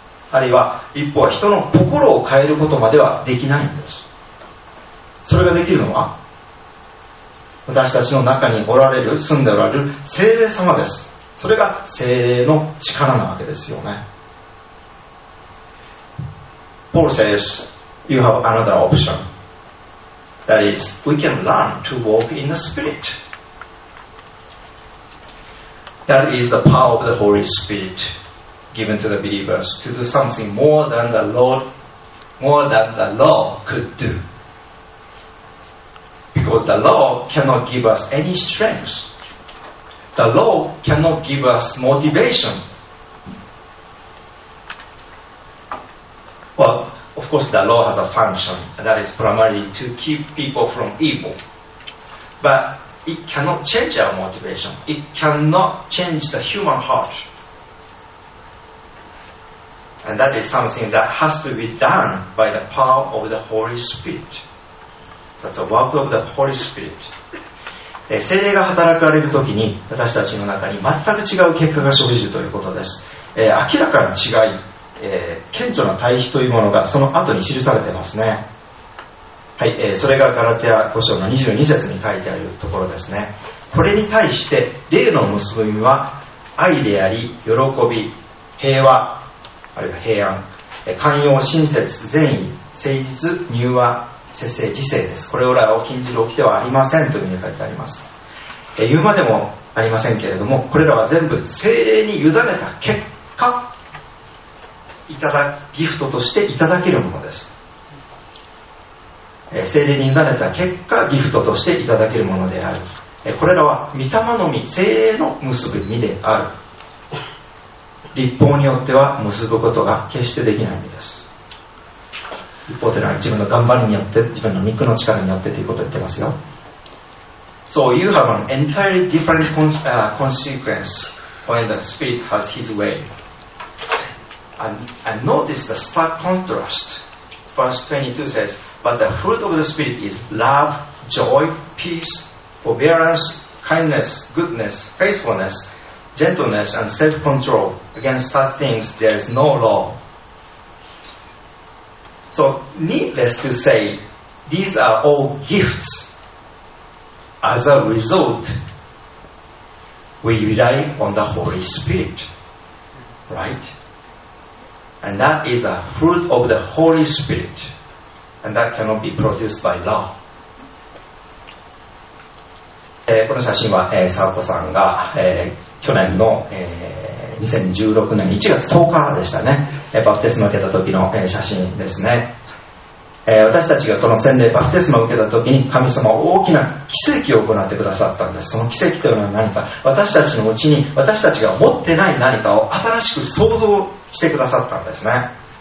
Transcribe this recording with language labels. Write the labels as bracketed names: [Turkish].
[Japanese] あるいは律法は人の心を変えることまではできないんです。それができるのは私たちの中におられる、住んでおられる聖霊様です。それが聖霊の力なわけですよね。 [English] Paul says, you have another option. That is, we can learn to walk in the Spirit. That is the power of the Holy Spirit given to the believers to do something more than the law, more than the law could do. Because the law cannot give us any strength. The law cannot give us motivation. Well, of course, the law has a function, and that is primarily to keep people from evil. But it cannot change our motivation. It cannot change the human heart. And that is something that has to be done by the power of the Holy Spirit. That's the work of the Holy Spirit. [Japanese] 聖霊が働かれるときに私たちの中に全く違う結果が生じるということです。明らかな違い、顕著な対比というものがその後に記されていますね。はい、それがガラテヤ5章の22節に書いてあるところですね。これに対して霊の結びは愛であり、喜び、平和、あるいは平安、寛容、親切、善意、誠実、柔和、節制、自制です。これらを禁じる掟はありませんというふうに書いてあります。言うまでもありませんけれども、これらは全部聖霊に委ねた結果、いただギフトとしていただけるものです。聖霊に委ねた結果、ギフトとしていただけるものである。これらは御霊の実、聖霊の結ぶ実である。立法によっては結ぶことが決してできないのです。立法というのは自分の頑張りによって、自分の肉の力によってということを言ってますよ。 [English] So you have an entirely different consequence when the spirit has his way. And notice the stark contrast. Verse 22 says, But the fruit of the spirit is love, joy, peace, forbearance, kindness, goodness, faithfulness,gentleness and self-control. Against such things there is no law. So, needless to say, these are all gifts. As a result, we rely on the Holy Spirit. Right? And that is a fruit of the Holy Spirit. And that cannot be produced by law. [Japanese] この写真は、沢子さんが、去年の、2016年1月10日でしたね、バプテスマを受けた時の、写真ですね、私たちがこの洗礼バプテスマを受けた時に神様は大きな奇跡を行ってくださったんです。その奇跡というのは何か、私たちのうちに私たちが持ってない何かを新しく創造してくださったんですね。